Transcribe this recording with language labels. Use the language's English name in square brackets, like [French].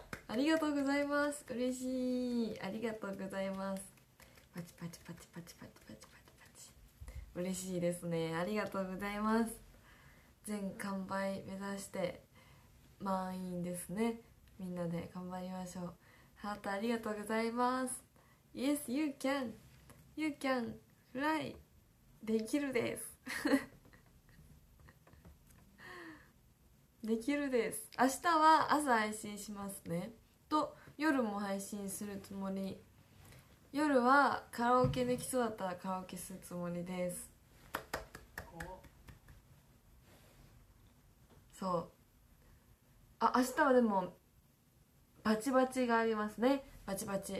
[Japanese] ありがとうございます、嬉しい、ありがとうございます。パチパチパチパチパチパチパチパチ、嬉しいですね、ありがとうございます。全完売目指して満員ですね、みんなで頑張りましょう。ハートありがとうございます。 [English] Yes you can、 You can fly、 [Japanese] できるですできるです。明日は朝配信しますね、と夜も配信するつもり、夜はカラオケできそうだったらカラオケするつもりです。そう、あ、明日はでもバチバチがありますね、バチバチ。